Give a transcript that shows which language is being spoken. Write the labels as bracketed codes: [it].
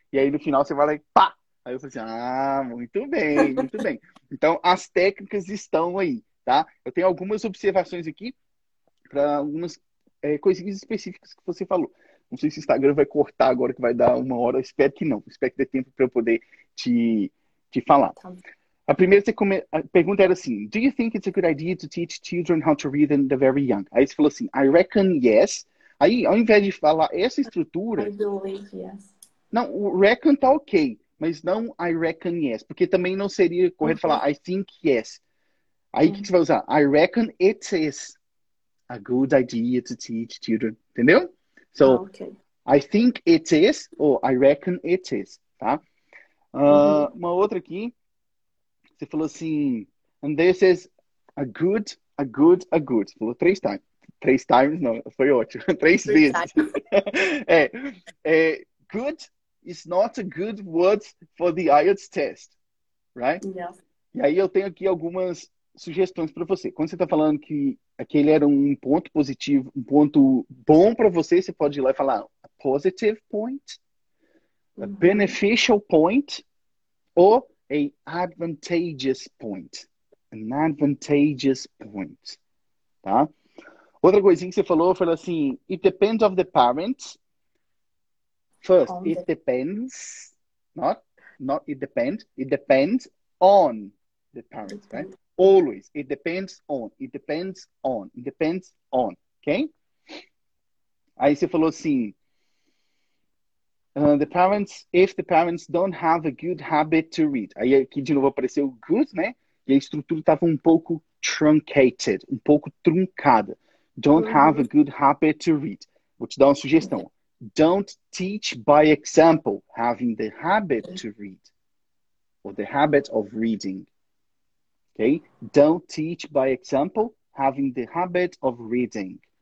[pt] E aí, no final, você vai lá e pá! Aí eu falo assim, muito bem, muito bem. Então, as técnicas estão aí, tá? Eu tenho algumas observações aqui para algumas coisinhas específicas que você falou. Não sei se o Instagram vai cortar agora, que vai dar uma hora. Espero que não. Espero que dê tempo para eu poder te falar. Tá. A primeira pergunta era assim, [en] do you think it's a good idea to teach children how to read in the very young? [pt] Aí você falou assim, [en] I reckon yes. [pt] Aí, ao invés de falar essa estrutura... [en] I believe yes. [pt] Não, o reckon tá ok, mas não [en] I reckon yes, [pt] porque também não seria correto falar [en] I think yes. [pt] Aí, o que você vai usar? [en] I reckon it is a good idea to teach children. [pt] Entendeu? [en] So, okay. I think it is, or I reckon it is. [pt] Tá? Uma outra aqui. Você falou assim, [en] and this is a good. [pt] Você falou três times, não, foi ótimo. Três vezes. [en] good is not a good word for the IELTS test, right? Yeah. [pt] E aí eu tenho aqui algumas sugestões para você. Quando você tá falando que aquele era um ponto positivo, um ponto bom para você, você pode ir lá e falar [en] a positive point, a beneficial point, [pt] ou... [en] A advantageous point. An advantageous point. [pt] Tá? Outra coisinha que você falou, foi assim, [en] it depends of the parents. First, it depends. Not not it depends. It depends on the parent, right? Always. It depends on. It depends on. It depends on. Okay? [pt] Aí você falou assim. [en] The parents, if the parents don't have a good habit to read. [pt] Aí aqui de novo apareceu good, né? E a estrutura estava um pouco truncated, um pouco truncada. [en] Don't have a good habit to read. [pt] Vou te dar uma sugestão. [en] Don't teach by example, having the habit to read. Or the habit of reading. Okay? Don't teach by example, having the habit of reading.